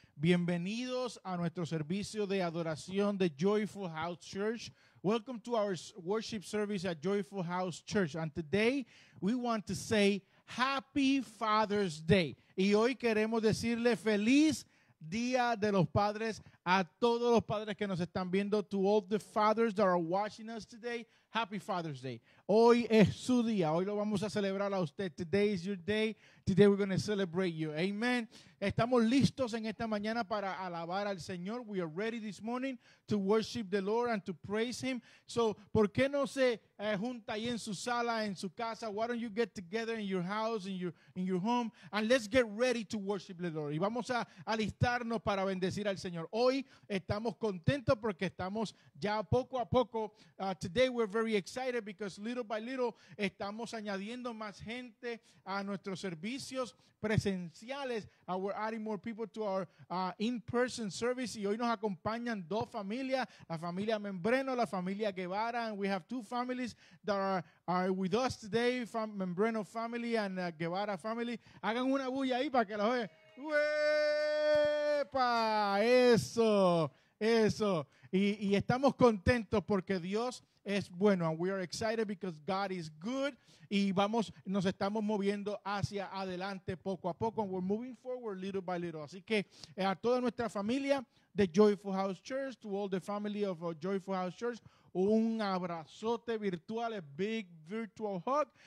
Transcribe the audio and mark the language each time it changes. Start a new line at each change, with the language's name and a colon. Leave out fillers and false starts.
Spanish: Bienvenidos a nuestro servicio de adoración de Joyful House Church.
English: Welcome to our worship service at Joyful House Church. And today we want to say Happy Father's Day.
Spanish: Y hoy queremos decirle feliz Día de los Padres a todos los padres que nos están viendo.
English: To all the fathers that are watching us today, Happy Father's Day.
Spanish: Hoy es su día. Hoy lo vamos a celebrar a usted.
English: Today is your day. Today we're going to celebrate you. Amen.
Spanish: Estamos listos en esta mañana para alabar al Señor.
English: We are ready this morning to worship the Lord and to praise Him.
Spanish: So, ¿por qué no se junta ahí en su sala, en su casa?
English: Why don't you get together in your house, in your home, and let's get ready to worship the Lord.
Spanish: Y vamos a alistarnos para bendecir al Señor. Hoy estamos contentos porque estamos ya poco a poco.
English: Today we're very excited because little by little
Spanish: estamos añadiendo más gente a nuestros servicios presenciales.
English: We're adding more people to our in-person service.
Spanish: Y hoy nos acompañan dos familias, la familia Membreno, la familia Guevara.
English: And we have two families that are with us today, Membreno family and Guevara family.
Spanish: Hagan una bulla ahí para que la oigan. ¡Epa! Eso. Y estamos contentos porque Dios es bueno.
English: And we are excited because God is good.
Spanish: Y vamos, nos estamos moviendo hacia adelante poco a poco.
English: And we're moving forward little by little.
Spanish: Así que a toda nuestra familia de Joyful House Church,
English: to all the family of Joyful House Church,
Spanish: un abrazote virtual,
English: a big virtual hug.